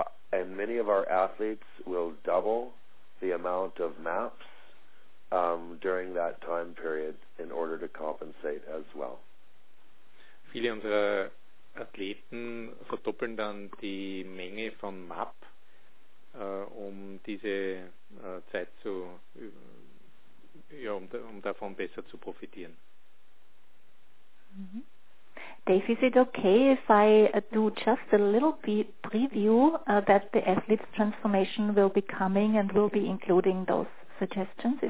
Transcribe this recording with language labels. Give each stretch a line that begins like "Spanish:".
English: And many of our athletes will double the amount of MAPS during that time period in order to compensate as well.
German: Viele unserer Athleten verdoppeln dann die Menge von MAP, um diese Zeit zu, ja, um davon besser zu profitieren. Mm-hmm.
English: Dave, is it okay if I do just a little preview that the athlete's transformation will be coming and will be including those suggestions?